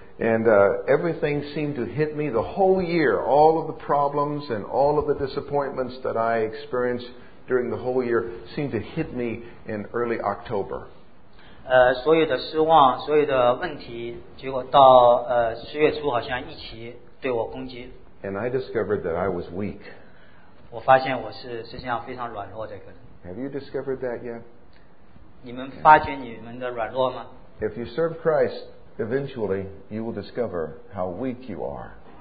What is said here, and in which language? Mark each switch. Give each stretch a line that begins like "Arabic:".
English: And everything seemed to hit me the whole year. All of the problems and all of the disappointments that I experienced during the whole year seemed to hit me in early October.
Chinese: 所有的失望，所有的问题，结果到10月初好像一起对我攻击。
English: And I discovered that I was weak.
Chinese: 我发现我是实际上非常软弱的一个人。
English: Have you discovered that yet?
Chinese: 你们发觉你们的软弱吗?
English: If you serve Christ, eventually, you will discover how weak you are.